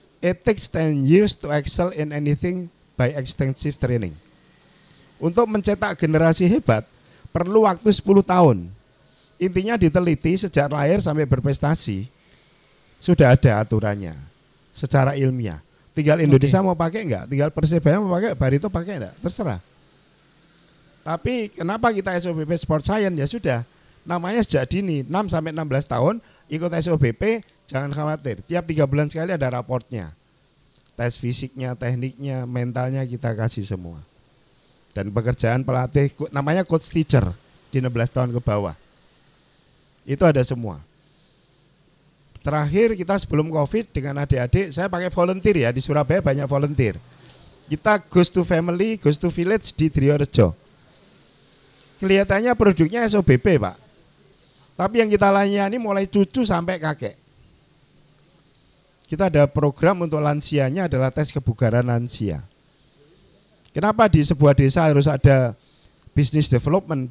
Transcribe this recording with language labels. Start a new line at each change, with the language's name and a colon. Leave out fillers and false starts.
English: It takes 10 years to excel in anything by extensive training.
Indonesian: Untuk mencetak generasi hebat perlu waktu 10 tahun. Intinya diteliti sejak lahir sampai berprestasi. Sudah ada aturannya secara ilmiah. Tinggal Indonesia mau pakai enggak? Tinggal Persebaya mau pakai, Barito pakai enggak? Terserah. Tapi kenapa kita SOBP Sport Science? Ya sudah, namanya sejak dini 6 sampai 16 tahun ikut SOBP. Jangan khawatir, tiap 3 bulan sekali ada raportnya. Tes fisiknya, tekniknya, mentalnya kita kasih semua. Dan pekerjaan pelatih, namanya
English: coach teacher,
Indonesian: di 16 tahun ke bawah. Itu ada semua. Terakhir kita sebelum COVID dengan adik-adik, saya pakai volunteer ya, di Surabaya banyak volunteer. Kita
English: goes to family, goes to village
Indonesian: di Driorejo. Kelihatannya produknya SOBP Pak. Tapi yang kita layani mulai cucu sampai kakek. Kita ada program untuk lansianya adalah tes kebugaran lansia. Kenapa di sebuah desa harus ada
English: business development?